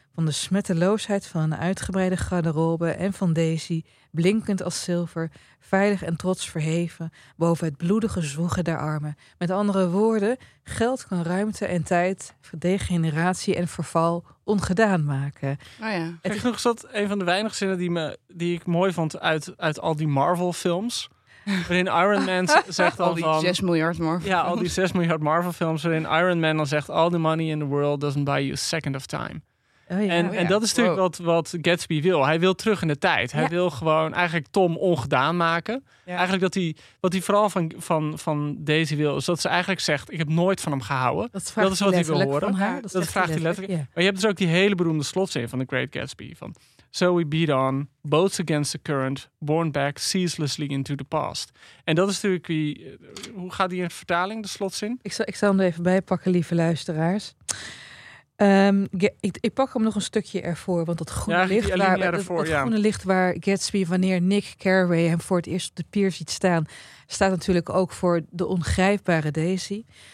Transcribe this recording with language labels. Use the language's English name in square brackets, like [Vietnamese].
[Dutch] Van de smetteloosheid van een uitgebreide garderobe en van Daisy, blinkend als zilver, veilig en trots verheven boven het bloedige zwoegen der armen. Met andere woorden, geld kan ruimte en tijd, degeneratie en verval ongedaan maken. Oh ja. Kijk, nog eens dat een van de weinige zinnen die ik mooi vond uit al die Marvel-films. Waarin Iron Man zegt al die 6 miljard Marvel. Ja, al die 6 miljard Marvel films. Waarin Iron Man dan zegt: [English] all the money in the world doesn't buy you a second of time. [Dutch] En dat is natuurlijk wat Gatsby wil. Hij wil terug in de tijd. Hij wil gewoon eigenlijk Tom ongedaan maken. Ja. Eigenlijk wat hij vooral van Daisy wil, is dat ze eigenlijk zegt: ik heb nooit van hem gehouden. Dat is wat hij wil horen. Van haar, dat vraagt hij letterlijk. Ja. Maar je hebt dus ook die hele beroemde slotzin van The Great Gatsby. [English] Van: so we beat on, boats against the current, borne back ceaselessly into the past. [Dutch] En dat is natuurlijk wie. Hoe gaat die in vertaling, de slotzin? Ik zal hem er even bij pakken, lieve luisteraars. Ik pak hem nog een stukje ervoor, want dat groene licht waar Gatsby, wanneer Nick Carraway hem voor het eerst op de pier ziet staan, staat natuurlijk ook voor de ongrijpbare Daisy.